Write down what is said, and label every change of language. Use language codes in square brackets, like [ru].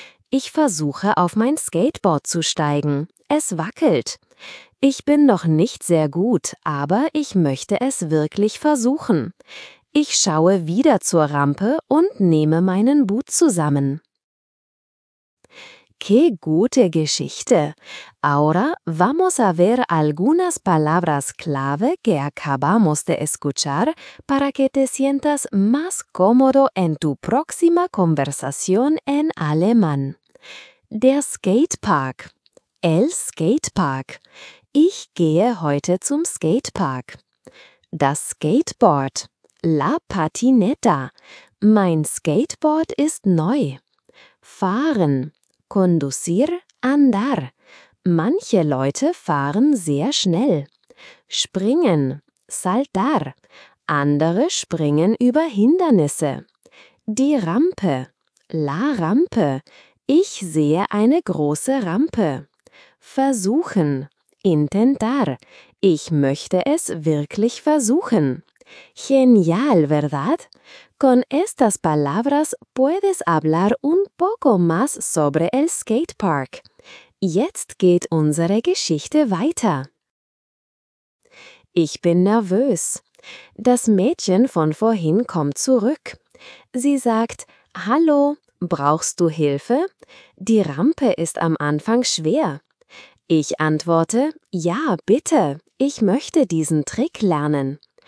[de] Ich versuche, auf mein Skateboard zu steigen. Es wackelt. Ich bin noch nicht sehr gut, aber ich möchte es wirklich versuchen. Ich schaue wieder zur Rampe und nehme meinen Mut zusammen. ¡Qué gute Geschichte! [es] Ahora vamos a ver algunas palabras clave que acabamos de escuchar para que te sientas más cómodo en tu próxima conversación en alemán. [de] Der Skatepark. [es] El Skatepark. [de] Ich gehe heute zum Skatepark. Das Skateboard. [es] La patineta. [de] Mein Skateboard ist neu. Fahren. [es] Conducir, andar. [de] Manche Leute fahren sehr schnell. Springen, saltar. Andere springen über Hindernisse. Die Rampe, la Rampe. Ich sehe eine große Rampe. Versuchen, intentar. Ich möchte es wirklich versuchen. [es] Genial, ¿verdad? Con estas palabras puedes hablar un poco más sobre el skatepark. [de] Jetzt geht unsere Geschichte weiter. Ich bin nervös. Das Mädchen von vorhin kommt zurück. Sie sagt, hallo, brauchst du Hilfe? Die Rampe ist am Anfang schwer. Ich antworte, ja, bitte, ich möchte diesen Trick lernen.